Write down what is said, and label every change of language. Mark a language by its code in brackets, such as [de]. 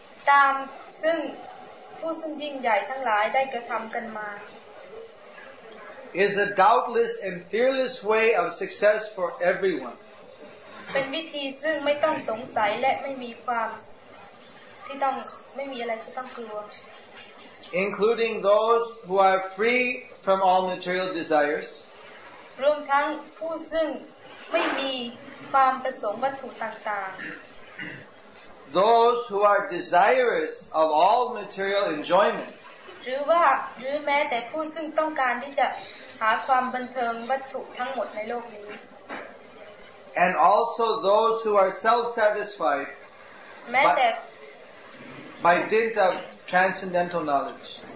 [th] ตามซึ่งผู้ซึ่งยิ่งใหญ่ทั้งหลายได้กระทำกันมา [en] Is a doubtless and fearless way of success for everyone. [th] เป็นวิธีซึ่งไม่ต้องสงสัยและไม่มีความที่ต้องไม่มีอะไรที่ต้องกลัว [en] Including those who are free from all material desires. [th] รวมทั้งผู้ซึ่งไม่มีความประสงค์วัตถุต่าง [en] ๆ Those who are desirous of all material enjoyment [th] หรือว่าหรือแม้แต่ผู้ซึ่งต้องการที่จะหาความบันเทิงวัตถุทั้งหมดในโลกนี้ [en] And also those who are self-satisfied [th] แม้แต่ [en] by dint of transcendental knowledge